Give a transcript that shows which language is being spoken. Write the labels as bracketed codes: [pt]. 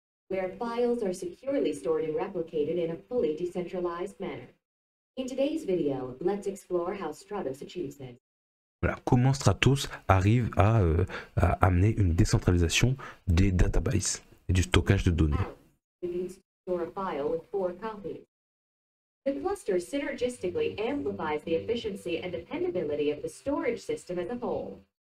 [en] Where files are securely stored and replicated in a fully decentralized manner. In today's video, let's explore how Stratos achieves this. [fr] Voilà, comment Stratos arrive à amener une décentralisation des databases et du stockage de données. [en] Store a file with four copies. The cluster synergistically amplifies the efficiency and dependability of the storage system as a whole.